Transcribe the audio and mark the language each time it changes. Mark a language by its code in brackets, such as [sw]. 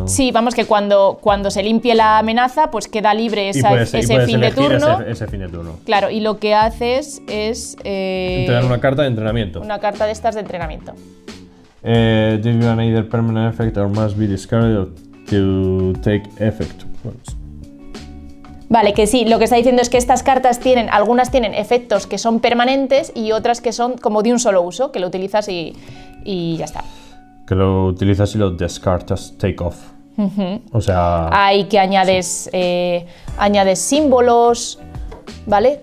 [es] Sí, vamos, que cuando se limpie la amenaza, pues queda libre esa, y puedes, ese y fin de turno. Ese fin de turno. Claro, y lo que haces es. Entregar una carta de entrenamiento. Una carta de estas de entrenamiento. [en] This will have either permanent effect or must be discarded to take effect. [es] Vale, que sí, lo que está diciendo es que estas cartas tienen, algunas tienen efectos que son permanentes y otras que son como de un solo uso, que lo utilizas y ya está. Que lo utilizas y lo descartas, [en] take off. [es] Uh-huh. O sea. Hay que añades. Sí. Añades símbolos. ¿Vale?